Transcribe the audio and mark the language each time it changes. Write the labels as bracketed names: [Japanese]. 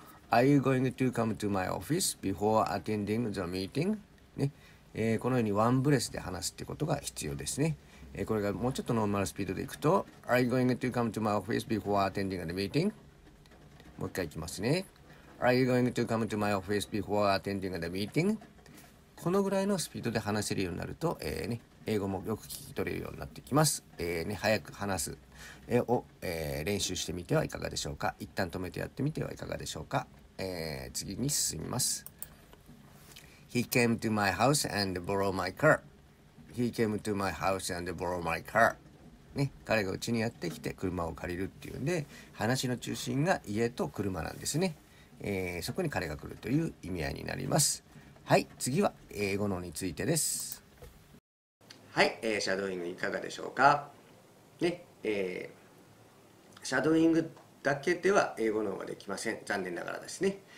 [English] Are you going to come to my office before attending the meeting?、 [Japanese] ねこのようにワンブレスで話すってことが必要ですね、これがもうちょっとノーマルスピードでいくと [English] Are you going to come to my office before attending the meeting? [Japanese] もう一回いきますね [English] Are you going to come to my office before attending the meeting? [Japanese] このぐらいのスピードで話せるようになると、ね英語もよく聞き取れるようになってきます。ね、早く話すを、練習してみてはいかがでしょうか。一旦止めてやってみてはいかがでしょうか。次に進みます。 [English] He came to my house and borrowed my car. He came to my house and borrowed my car. [Japanese] ね、彼がうちにやってきて車を借りるっていうんで、話の中心が家と車なんですね。そこに彼が来るという意味合いになります。はい、次は英語のについてです。はい、シャドーイングいかがでしょうか。ね、シャドーイングだけでは英語の方ができません、残念ながらですね。